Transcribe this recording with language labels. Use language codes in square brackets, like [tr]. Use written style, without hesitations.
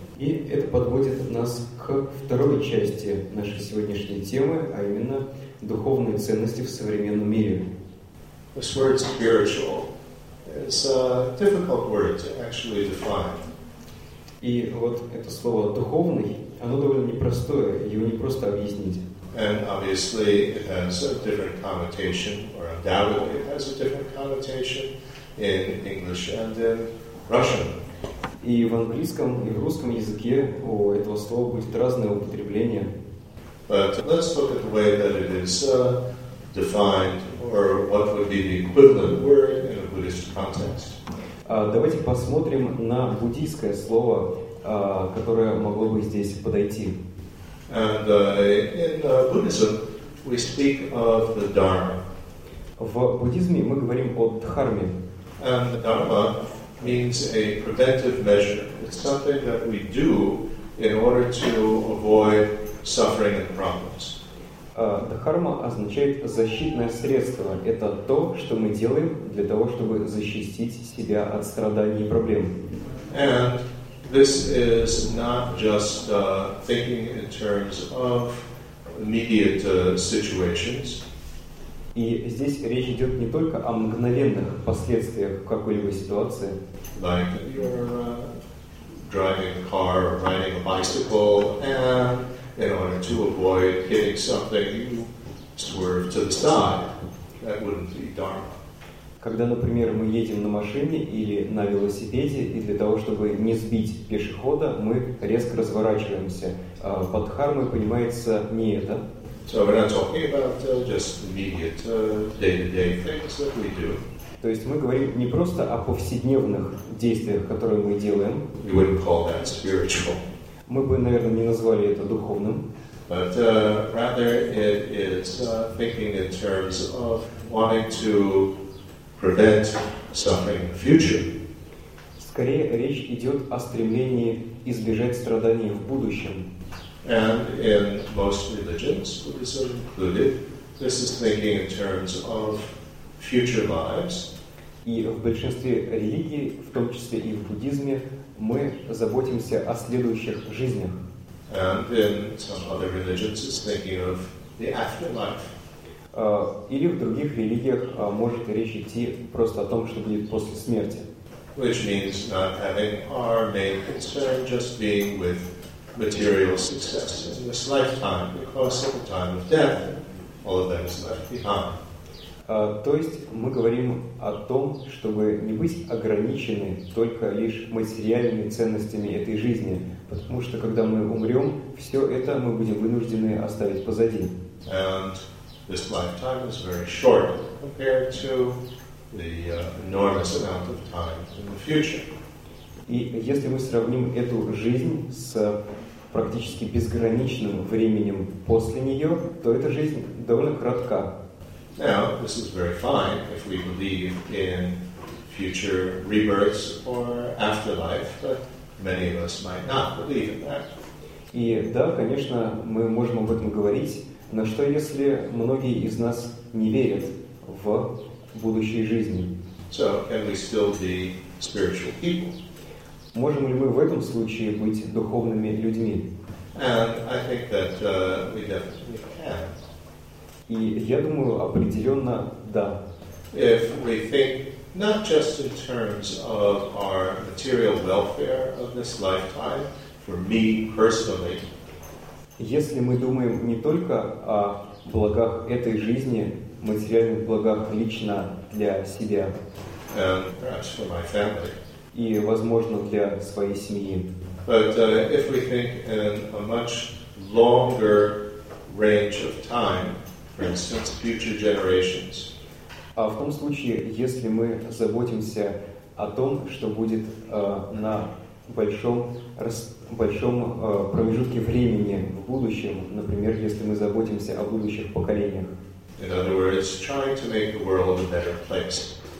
[ru] И это подводит нас к второй части нашей сегодняшней темы, а именно духовные ценности в современном мире. [en] This word spiritual is a difficult word to actually define. [ru] И вот это слово духовный, оно довольно непростое, его непросто объяснить. [en] And obviously it has a different connotation, or undoubtedly it has a different connotation in English and in Russian. [ru] И в английском, и в русском языке у этого слова будет разное употребление. [en] But let's look at the way that it is defined, or what would be the equivalent word in a Buddhist context. [ru] Давайте посмотрим на буддийское слово, которое могло бы здесь подойти. [en] And in Buddhism, we speak of the Dharma. [ru] В буддизме мы говорим о дхарме. [en] And the Dharma means a preventive measure. It's something that we do in order to avoid suffering and problems. [ru] Дхарма означает защитное средство. Это то, что мы делаем для того, чтобы защитить себя от страданий и проблем. [en] And this is not just thinking in terms of immediate situations. [ru] И здесь речь идет не только о мгновенных последствиях какой-либо ситуации. [en] Like you're driving a car or riding a bicycle, and in order to avoid hitting something, you swerve to the side. That wouldn't be dharma. [ru] Когда, например, мы едем на машине или на велосипеде, и для того, чтобы не сбить пешехода, мы резко разворачиваемся. Под дхармой понимается не это. [en] So we're not talking about just immediate day-to-day things that we do. [ru] То есть мы говорим не просто о повседневных действиях, которые мы делаем. [en] You wouldn't call that spiritual. [ru] Мы бы, наверное, не назвали это духовным. [en] But rather it is thinking in terms of wanting to prevent suffering in the future. [ru] Скорее речь идет о стремлении избежать страданий в будущем. [en] And in most religions, Buddhism included, this is thinking in terms of future lives. [ru] И в большинстве религий, в том числе и в буддизме, мы заботимся о следующих жизнях. [en] And in some other religions, it's thinking of the afterlife. [ru] Или в других религиях может речь идти просто о том, что будет после смерти. [en] Which means not having our main concern just being with material success in this lifetime, because at the time of death, all of that is left behind. [ru] То есть мы говорим о том, чтобы не быть ограничены только лишь материальными ценностями этой жизни, потому что когда мы умрем, все это мы будем вынуждены оставить позади. [en] And this lifetime is very short compared to the enormous amount of time in the future. [ru] И если мы сравним эту жизнь с практически безграничным временем после нее, то эта жизнь довольно кратка. [en] Now, this is very fine if we believe in future rebirths or afterlife, but many of us might not believe in that. [ru] И да, конечно, мы можем об этом говорить, но что если многие из нас не верят в будущие жизни? [en] So, can we still be spiritual people? [ru] Можем ли мы в этом случае быть духовными людьми? [en] And I think that we definitely can. [ru] И я думаю, определенно, да. [en] If we think not just in terms of our material welfare of this lifetime, for me personally. [ru] Если мы думаем не только о благах этой жизни, материальных благах лично для себя, [en] and perhaps for my family. [ru] И, возможно, для своей семьи. [en] But if we think in a much longer range of time, for instance, future generations. [ru] А в том случае, если мы заботимся о том, что будет на большом промежутке времени в будущем, например, если мы заботимся о будущих поколениях. [en] In other words, trying to make the world a better place.